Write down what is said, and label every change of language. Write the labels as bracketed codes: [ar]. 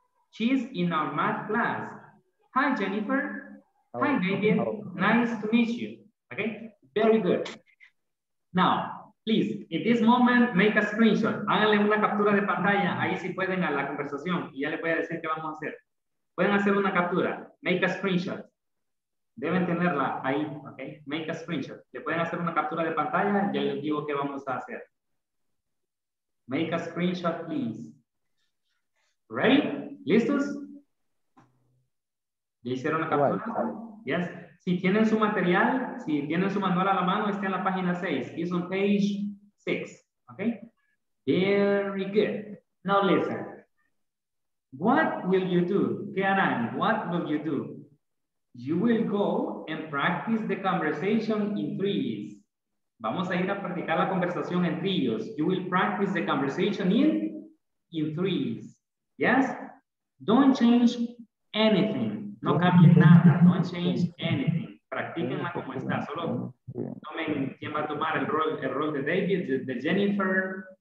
[en] She's in our math class. Hi, Jennifer. Hi, David. nice to meet you. Okay, very good. Now, please, in this moment, make a screenshot. [es] Háganle una captura de pantalla, ahí sí pueden a la conversación, y ya les voy a decir qué vamos a hacer. Pueden hacer una captura, [en] make a screenshot. [es] Deben tenerla ahí, ok, make a screenshot. Le pueden hacer una captura de pantalla, ya les digo qué vamos a hacer. [en] Make a screenshot, please. Ready? [es] ¿Listos? ¿Ya hicieron la captura? Yes. Si tienen su material, si tienen su manual a la mano, está en la página 6. [en] It's on page 6. Okay? Very good. Now listen. What will you do? [es] ¿Qué harán? [en] What will you do? You will go and practice the conversation in trees. [es] Vamos a ir a practicar la conversación en trillos. [en] You will practice the conversation in trees. Yes? Don't change anything. [es] No cambien nada. [en] Don't change anything. [es] Practíquenla como está. Solo tomen quién va a tomar el rol de David, de Jennifer.